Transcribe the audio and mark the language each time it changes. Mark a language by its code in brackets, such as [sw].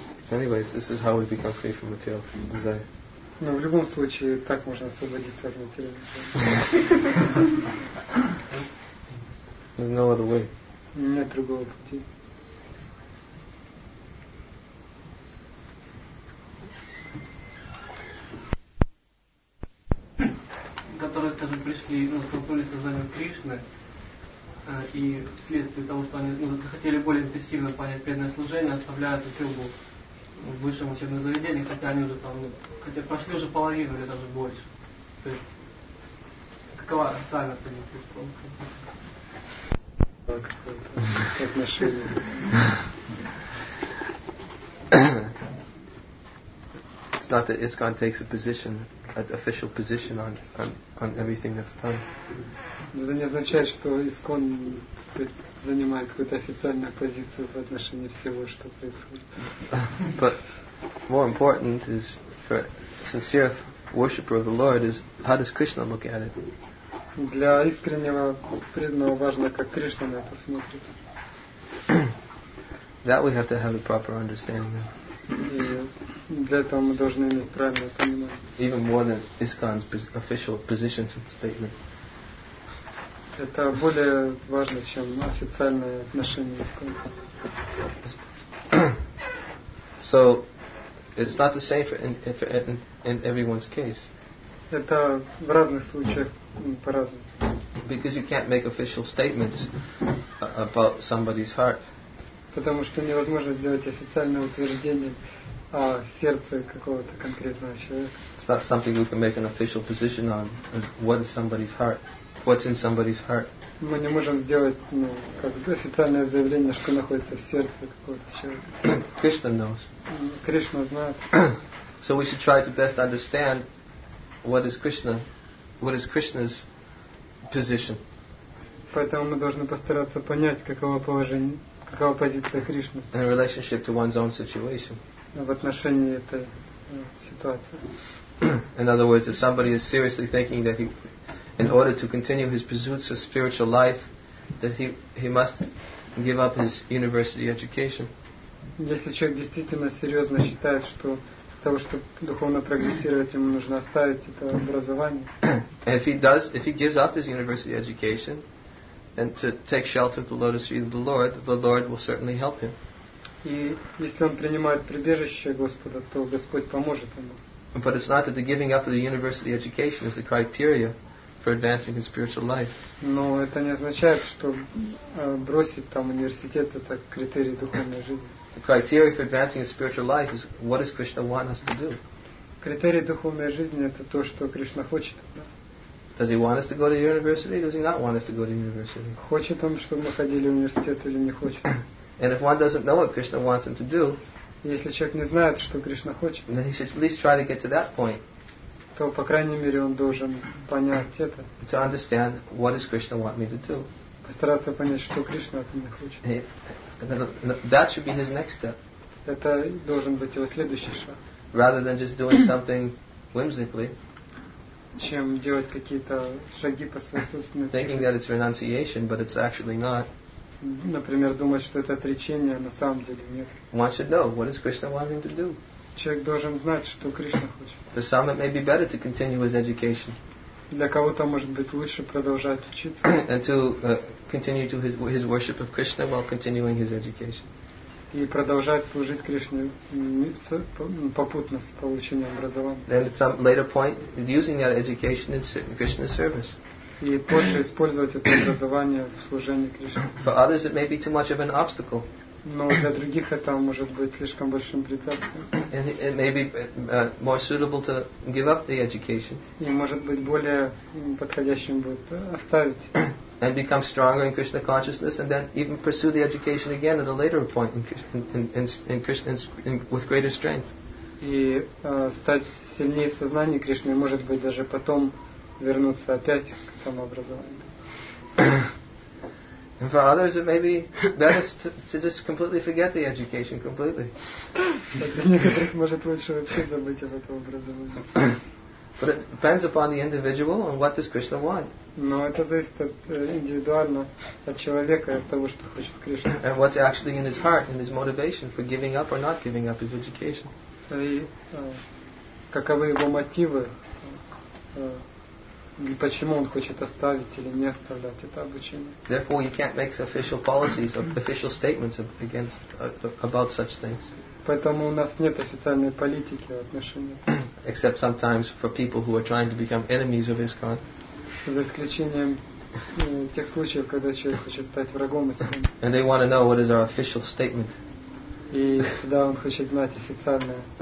[en] Anyways, this is how we become free from material desire. [ru] Но в любом случае так можно освободиться от материала. [en] There's no other way. [ru] Нет другого пути. Которые, скажем, пришли, ну, столкнулись с сознанием Кришны, и вследствие того, что они захотели более интенсивно понять преданное служение, отправляют учебу в высшем учебном заведении, хотя они уже там, хотя прошли уже половину или даже больше. То есть какова сами по ним присутствовала? [en] It's not that ISKCON takes a position, an official position on everything that's done. [ru] Это не означает, что ИСКОН занимает какую-то официальную позицию в отношении всего, что происходит. [en] But more important is for sincere worshipper of the Lord is how does Krishna look at it? [ru] Для искреннего преданного важно, как Кришна на это смотрит. [en] That we have to have a proper understanding. [ru] И для этого мы должны иметь правильное понимание. [en] Even more than ISKCON's official positions and statement. [ru] Это более важно, чем официальное отношение ISKCON. [en] So it's not the same for in everyone's case. [ru] Это в разных случаях по-разному. [en] Because you can't make official statements about somebody's heart. [ru] Потому что невозможно сделать официальное утверждение о сердце какого-то конкретного человека. [en] It's not something we can make an official position on what is somebody's heart, what's in somebody's heart. [ru] Мы не можем сделать, как официальное заявление, что находится в сердце какого-то человека. [en] Krishna knows. [ru] Кришна знает. [en] So we should try to best understand What is Krishna's position? [ru] Поэтому мы должны постараться понять, каково положение, какова позиция Кришны. [en] In relationship to one's own situation. [ru] В отношении этой ситуации. [en] In other words, if somebody is seriously thinking that he, in order to continue his pursuits of spiritual life, that he must give up his university education. [ru] Если человек действительно серьезно считает, что того, чтобы духовно прогрессировать, ему нужно оставить это образование. [en] If he does, if he gives up his university education, and to take shelter of the lotus feet of the Lord will certainly help him. [ru] И если он принимает прибежище Господа, то Господь поможет ему. [en] But it's not that the giving up of the university education is the criteria for advancing his spiritual life. [ru] Но это не означает, что бросить там университет это критерий духовной жизни. [en] The criteria for advancing in spiritual life is what does Krishna want us to do? [ru] Критерий духовной жизни это то, что Кришна хочет. [en] Does he want us to go to university? Does he not want us to go to university? [ru] Хочет он, чтобы мы ходили в университет или не хочет? [en] And if one doesn't know what Krishna wants him to do, [ru] если человек не знает, что Кришна хочет, [en] then he should at least try to get to that point. [ru] То по крайней мере он должен понять это. [en] To understand what does Krishna want me to do? [ru] Постараться понять, что Кришна от меня хочет. [en] That should be his next step. [ru] Это должен быть его следующий шаг. [en] Rather than just doing something whimsically, [ru] чем делать какие-то шаги по своей собственной цели. [en] Thinking that it's renunciation, but it's actually not. [ru] Например, думать, что это отречение, на самом деле нет. [en] One should know what is Krishna wanting to do. [ru] Человек должен знать, что Кришна хочет. [en] For some, it may be better to continue his education. [ru] Для кого-то может быть лучше продолжать учиться. [en] And to continue to his worship of Krishna while continuing his education. [ru] И продолжать служить Кришне попутно с получением образования. [en] Then at some later point, using that education in Krishna's service. [ru] И позже использовать это образование в служении Кришне. [en] For others, it may be too much of an obstacle. [ru] Но для других это может быть слишком большим препятствием. [en] And it may be more suitable to give up the education. [ru] И может быть более подходящим будет оставить. [en] And become stronger in Krishna consciousness, and then even pursue the education again at a later point in Krishna, with greater strength. [ru] И стать сильнее в сознании Кришны, может быть даже потом вернуться опять к этому образованию. [en] And for others, it may be better to just completely forget the education completely. But it depends upon the individual and what does Krishna want. [ru] Но это зависит от индивидуально от человека, от того, что хочет Кришна. [en] And what's actually in his heart and his motivation for giving up or not giving up his education. [ru] И каковы его мотивы? И почему он хочет оставить или не оставлять это обучение? [en] Therefore, you can't make official policies or official statements against about such things. [ru] Поэтому у нас нет официальной политики в отношении. [en] Except sometimes for people who are trying to become enemies of ISKCON. [ru] За исключением тех случаев, когда человек хочет стать врагом из сына. [en] And they want to know what is our official statement. [ru] И когда он хочет знать официальное.